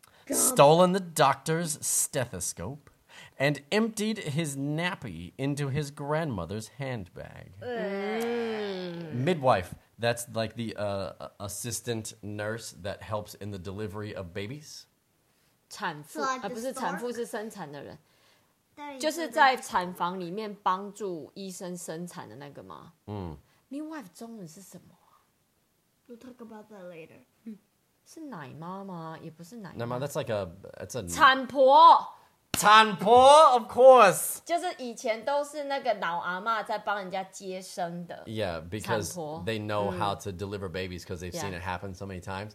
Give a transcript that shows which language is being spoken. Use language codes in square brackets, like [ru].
[en] Stolen the doctor's stethoscope and emptied his nappy into his grandmother's handbag. Midwife, that's like the assistant nurse that helps in the delivery of babies. [zh] 产妇、啊、不是产妇是生产的人，就是在产房里面帮助医生生产的那个吗？嗯。 Midwife 中文是什么、啊、 [en] We'll talk about that later. [zh] 是奶妈吗？也不是奶妈。 [en] 奶妈，That's like a [zh] 产婆。 [en] 产婆，Of course. [zh] 就是以前都是那个老阿妈在帮人家接生的。 [en] Yeah, because they know how to deliver babies because they've seen it happen so many times.